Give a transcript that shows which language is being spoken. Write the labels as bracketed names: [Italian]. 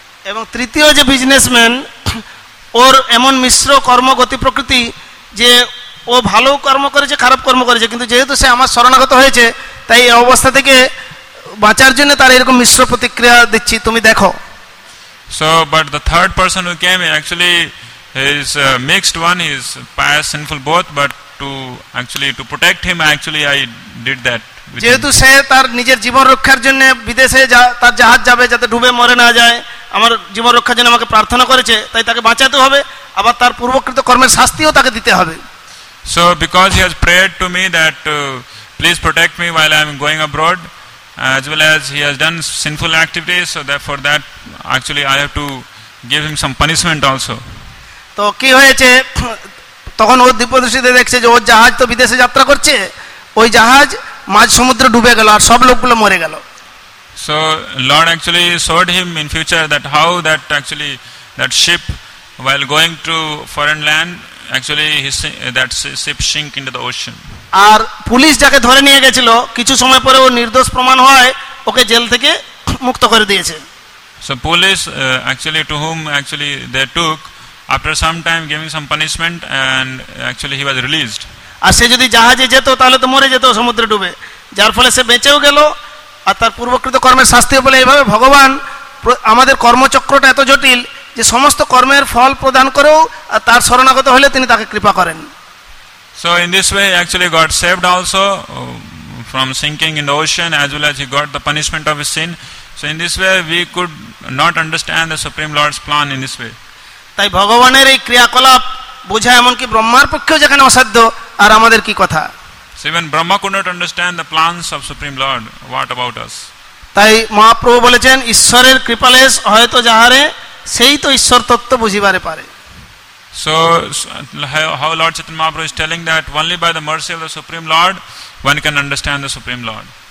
[Bangla] এবং তৃতীয় যে বিজনেসম্যান, ওর এমন মিশ্র কর্ম গতি প্রকৃতি যে ও ভালো কর্ম করেছে খারাপ কর্ম করেছে, কিন্তু যেহেতু সে আমার শরণাগত হয়েছে তাই এই অবস্থা থেকে বাঁচার জন্য তার এরকম মিশ্র প্রতিক্রিয়া দিচ্ছি, তুমি দেখো. [English] So but the third person who came, actually he is a mixed one, he is pious, sinful both, but to actually to protect him, actually I did that [Bangla] যেহেতু সে তার নিজের জীবন রক্ষার জন্য বিদেশে তার জাহাজ যাবে যাতে ডুবে মরে না যায়, আমার জীবন রক্ষার জন্য আমাকে প্রার্থনা করেছে, তাই তাকে বাঁচাতে হবে, আবার তার পূর্বকৃত কর্মের শাস্তিও তাকে দিতে হবে। [English] So because he has prayed to me that please protect me while I am going abroad, as well as he has done sinful activities, so therefore that actually I have to give him some punishment also. [Bangla] তো কি হয়েছে, তখন ও দিব্যদর্শীতে দেখছে যে ওর জাহাজ তো বিদেশে যাত্রা করছে, ওই জাহাজ মাঝ সমুদ্রে ডুবে গেল আর সব লোকগুলো মরে গেল। [English] So Lord actually showed him in future that how that actually that ship while going to foreign land actually that ship sink into the ocean. [Bangla] আর police যাকে ধরে নিয়ে গেছিল কিছু সময় পরে ও নির্দোষ প্রমাণ হয় ওকে জেল থেকে মুক্ত করে দিয়েছে। [English] So police actually to whom actually they took after some time giving some punishment and actually he was released. [Bangla] আর সে যদি জাহাজে যেত তাহলে তো মরে যেত সমুদ্রে ডুবে, যার ফলে সে বেঁচেও গেল আর তার পূর্বকৃত কর্মের শাস্তি হবে। এইভাবে ভগবান আমাদের কর্মচক্রটা এত জটিল যে সমস্ত কর্মের ফল প্রদান করেও আর তার শরণাগত হলে তিনি তাকে কৃপা করেন। [English] So in this way actually got saved also from sinking in the ocean as well as he got the punishment of his sin. So in this way we could not understand the Supreme Lord's plan in this way. [Bangla] তাই ভগবানের এই ক্রিয়াকলাপ বোঝা এমনকি ব্রহ্মার পক্ষেও যেখানে অসাধ্য আর আমাদের কি কথা। [English] So even Brahma could not understand the plans of Supreme Lord, what about us? [Bangla] তাই মহাপ্রভু বলেছেন ঈশ্বরের কৃপালেশ হয়তো যাহারে সেই তো ঈশ্বর তত্ত্ব বুঝিবারে পারে। [English] So how Lord Chaitanya Mahaprabhu is telling that only by the mercy of the Supreme Lord one can understand the Supreme Lord.